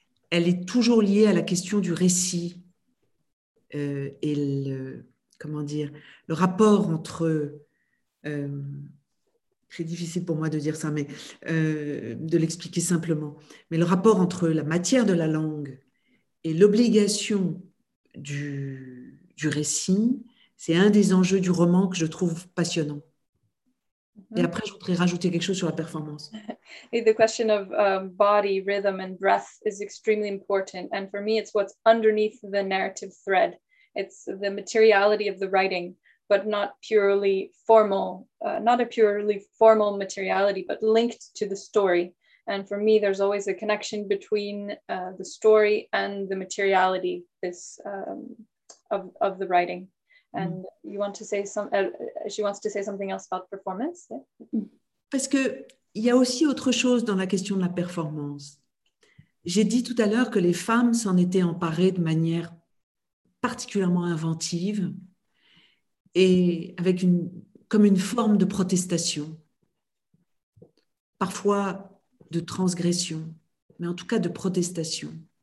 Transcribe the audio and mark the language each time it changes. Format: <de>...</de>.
<fr>Elle est toujours liée à la question du récit. Le rapport entre, très difficile pour moi de dire ça, mais de l'expliquer simplement, mais le rapport entre la matière de la langue et l'obligation du récit, c'est un des enjeux du roman que je trouve passionnant. Et après, je voudrais rajouter quelque chose sur la performance.</fr> <en>The question of body, rhythm and breath is extremely important. And for me, it's what's underneath the narrative thread. It's the materiality of the writing, but not purely formal, not a purely formal materiality, but linked to the story. And for me, there's always a connection between the story and the materiality of the writing. And you want to say she wants to say something else about performance?</en> <fr>Parce que il y a aussi autre chose dans la question de la performance. J'ai dit tout à l'heure que les femmes s'en étaient emparées de manière particulièrement inventive et avec une comme une forme de protestation, parfois de transgression, mais en tout cas de protestation.</fr>